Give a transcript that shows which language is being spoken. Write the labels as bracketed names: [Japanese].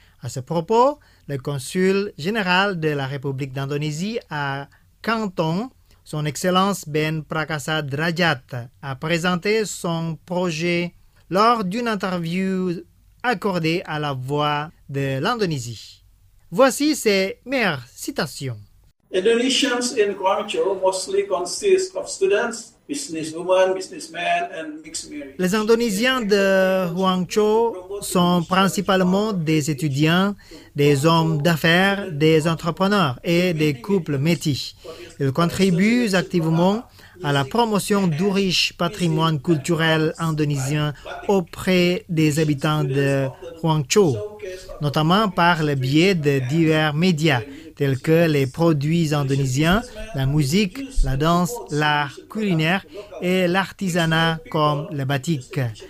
[French] À ce propos, le consul général de la République d'Indonésie à Canton, Son Excellence Ben Prakasa Drajat, a présenté son projet lors d'une interview accordée à la Voix de l'Indonésie. Voici ses meilleures citations. [English] Indonesians in Guangzhou mostly consist of students, businesswomen, businessmen and mixed marriage. [French] Les Indonésiens de Guangzhou sont principalement des étudiants, des hommes d'affaires, des entrepreneurs et des couples métis. Ils contribuent activement à la promotion du riche patrimoine culturel indonésien auprès des habitants de Guangzhou, notamment par le biais de divers médias, tels que les produits indonésiens, la musique, la danse, l'art culinaire et l'artisanat comme le batik.